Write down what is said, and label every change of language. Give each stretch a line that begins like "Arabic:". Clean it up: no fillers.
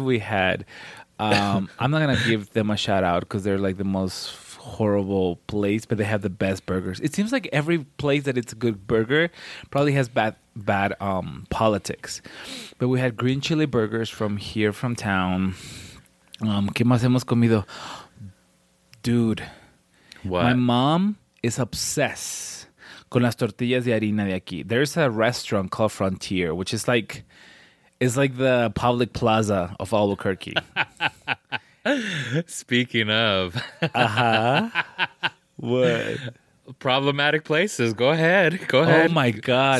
English: We had I'm not gonna give them a shout out because they're like the most horrible place, but they have the best burgers. It seems like every place that it's a good burger probably has bad politics. But we had green chili burgers from here, from town.
Spanish: ¿Qué más hemos comido?
English: Dude, what? My mom is obsessed
Spanish: con las tortillas de harina de aquí.
English: There's a restaurant called Frontier, which is like, it's like the public plaza of Albuquerque. Speaking of. Uh-huh. What? Problematic places. Go ahead. Oh, my God.